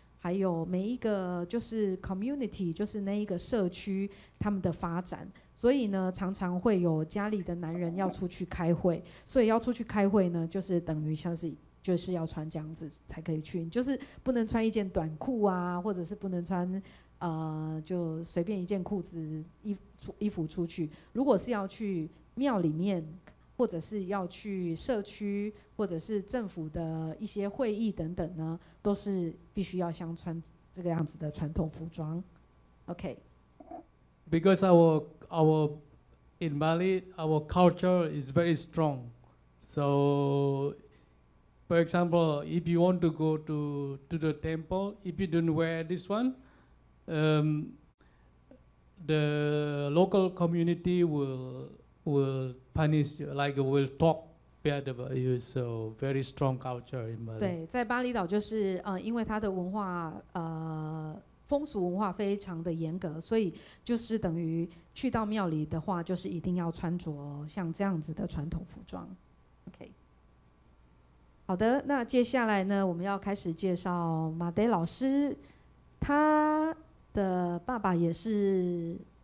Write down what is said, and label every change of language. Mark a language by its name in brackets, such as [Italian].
[Chinese] 还有每一个就是 community， 就是那一个社区他们的发展，所以呢，常常会有家里的男人要出去开会，所以要出去开会呢，就是等于像是就是要穿这样子才可以去，就是不能穿一件短裤啊，或者是不能穿就随便一件裤子衣服出去。如果是要去庙里面，或者是要去社区，或者是政府的一些会议等等呢，都是必须要像穿这个样子的传统服装。 OK。 [English] Because our in Bali our culture is very strong, so for example, if you want to go to the temple, if you don't wear this one, the local community will punish you, like will talk bad about you. So very strong culture in Bali. [Chinese] 对，在巴厘岛就是因为它的文化风俗文化非常的严格，所以就是等于去到庙里的话，就是一定要穿着像这样子的传统服装。 OK， 好的，那接下来呢，我们要开始介绍马德老师，他的爸爸也是